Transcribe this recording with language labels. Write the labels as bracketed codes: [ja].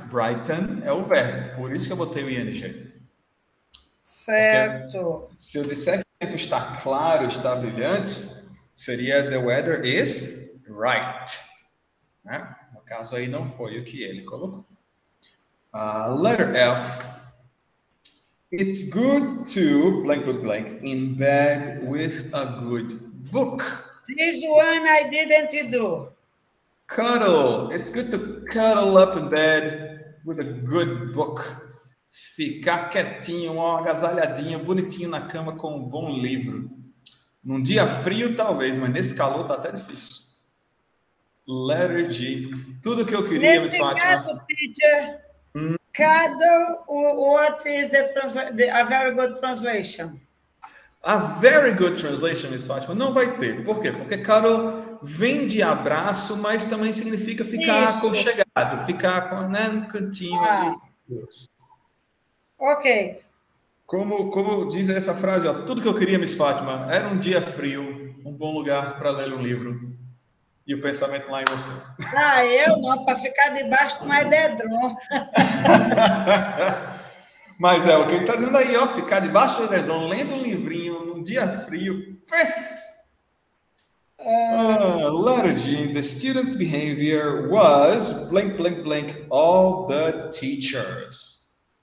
[pt] Brighten é o verbo. Por isso que eu botei o ing. Porque Certo. se eu disser que o tempo está claro, está brilhante, seria [en] the weather is bright. [pt] Né? No caso aí não foi o que ele colocou. [en] Letter F. It's good to blank, blank, blank in bed with a good book. This one I didn't do. Cuddle. It's good to cuddle up in bed with a good book. [pt] Ficar quietinho, uma agasalhadinha, bonitinho na cama com um bom livro. Num dia frio, talvez, mas nesse calor tá até difícil. [en] Letter G. [pt] Tudo que eu queria, Miss Nesse Fátima. caso, [en] Peter, cuddle, what is a very good translation? A very good translation, Miss Fátima. [pt] Não vai ter. Por quê? Porque cuddle vem de abraço, mas também significa ficar Isso. aconchegado, ficar com, né, no cantinho ali. Ah. Ok. Como diz essa frase, ó, tudo que eu queria, Miss Fátima, era um dia frio, um bom lugar para ler um livro. E o pensamento lá em você. Ah, eu não, para ficar debaixo do mais dedrão. Mas é o que ele está dizendo aí, ó, ficar debaixo do edredom, lendo um livrinho num dia frio. [en] Letter G, the student's behavior was blank, blank, blank, all the teachers.